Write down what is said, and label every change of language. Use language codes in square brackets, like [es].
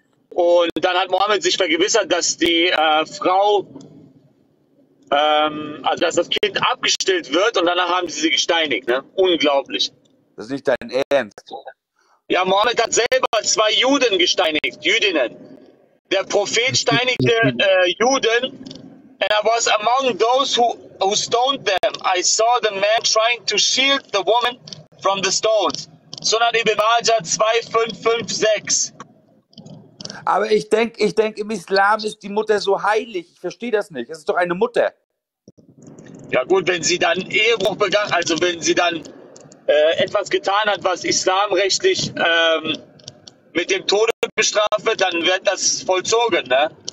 [de] Und dann hat Mohammed sich vergewissert, dass die Frau, also dass das Kind abgestillt wird und danach haben sie gesteinigt. Ne? Unglaublich. Das ist nicht dein Ernst. Ja, Mohammed hat selber zwei Juden gesteinigt, Jüdinnen. Der Prophet steinigte Juden. [en] And I was among those who stoned them. I saw the man trying to shield the woman from the stones. Sunan Ibn Majah 2556. [de] Aber ich denke, im Islam ist die Mutter so heilig. Ich verstehe das nicht. Es ist doch eine Mutter. Ja gut, wenn sie dann Ehebruch begann, also wenn sie dann etwas getan hat, was islamrechtlich mit dem Tode bestraft wird, dann wird das vollzogen, ne?